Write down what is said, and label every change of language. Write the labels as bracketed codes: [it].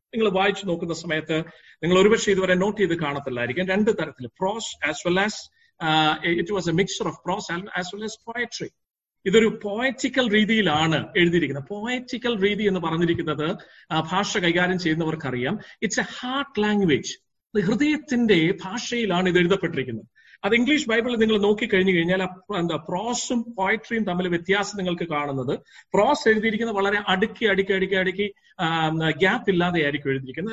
[ml] നിങ്ങൾ വായിച്ചു നോക്കുന്ന സമയത്ത് നിങ്ങൾ ഒരുപക്ഷെ ഇതുവരെ നോട്ട് ചെയ്ത് കാണത്തില്ലായിരിക്കും. രണ്ട് തരത്തിൽ, [en] Prose as well as it was a mixture of prose as well as poetry. [ml] ഇതൊരു poetical രീതിയിലാണ് എഴുതിയിരിക്കുന്നത്. poetical രീതി എന്ന് പറഞ്ഞിരിക്കുന്നത് ഭാഷ കൈകാര്യം ചെയ്യുന്നവർക്കറിയാം. [en] it's a heart language, [ml] ഹൃദയത്തിന്റെ ഭാഷയിലാണ് ഇത് എഴുതപ്പെട്ടിരിക്കുന്നത്. അത് ഇംഗ്ലീഷ് ബൈബിളിൽ നിങ്ങൾ നോക്കിക്കഴിഞ്ഞു കഴിഞ്ഞാൽ എന്താ പ്രോസും പോയട്രിയും തമ്മിൽ വ്യത്യാസം നിങ്ങൾക്ക് കാണുന്നത്, പ്രോസ് എഴുതിയിരിക്കുന്നത് വളരെ അടുക്കി അടുക്കി അടുക്കി അടുക്കി ഗ്യാപ്പ് ഇല്ലാതെ ആയിരിക്കും എഴുതിയിരിക്കുന്നത്.